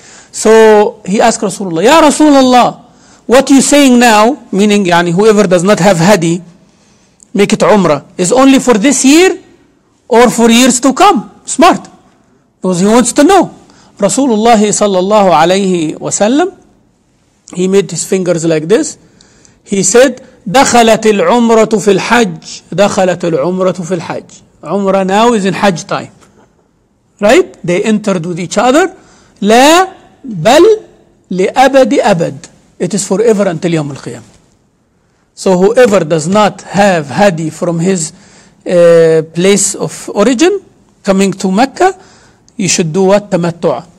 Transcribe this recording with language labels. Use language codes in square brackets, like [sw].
[en] So he asked Rasulullah, Ya Rasulullah, what you saying now, meaning يعني, whoever does not have hadi, make it Umrah, is only for this year or for years to come? Smart. Because he wants to know. Rasulullah sallallahu alayhi wa sallam, he made his fingers like this. He said, [ar] دخلت العمرة في الحج. دخلت العمرة في الحج. [en] Umrah now is in Hajj time. Right? They entered with each other. [ar] لا بل لأبد أبد. [en] It is forever until يوم القيامة. So whoever does not have hadi from his place of origin coming to Mecca, you should do what? Tamattu'.